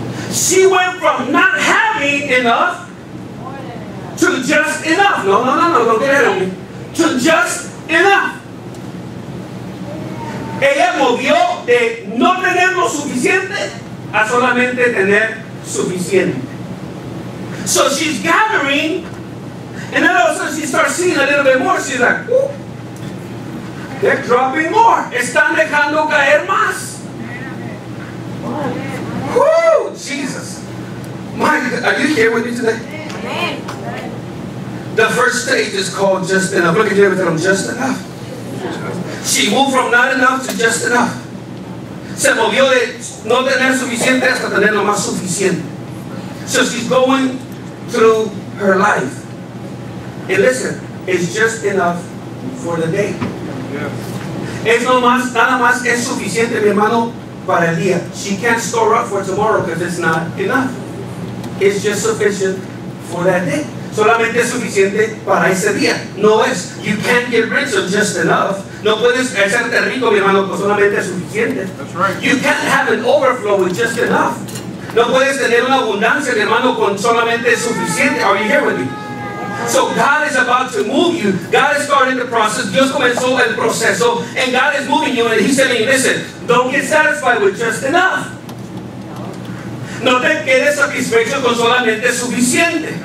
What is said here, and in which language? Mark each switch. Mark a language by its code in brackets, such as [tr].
[en] She went from not having enough to just enough. [es] No, no, no, no, no quiere lo mismo. [en] To just enough. [es] Ella movió de no tener lo suficiente a solamente tener suficiente. [en] So she's gathering, and then all of a sudden she starts seeing a little bit more. She's like, they're dropping more. [es] Están dejando caer más. [en] Woo, Jesus. Mike, are you here with me today? Amen. The first stage is called just enough. Look at you, everything. I'm just enough. She moved from not enough to just enough. [es] Se movió de no tener suficiente hasta tener lo más suficiente. [en] So she's going through her life. And listen, it's just enough for the day. [es] Es no más, nada más es suficiente, mi hermano, para el día. [en] She can't store up for tomorrow because it's not enough. It's just sufficient for that day. [es] Solamente es suficiente para ese día. No es. [en] You can't get rich of just enough. [es] No puedes hacerte rico, mi hermano, con solamente es suficiente. [en] That's right. You can't have an overflow with just enough. [es] No puedes tener una abundancia, mi hermano, con solamente es suficiente. [en] Are you here with me? So God is about to move you. God is starting the process. [es] Dios comenzó el proceso. [en] And God is moving you. And he's telling you, listen, don't get satisfied with just enough. [es] No te quedes satisfecho con solamente es suficiente.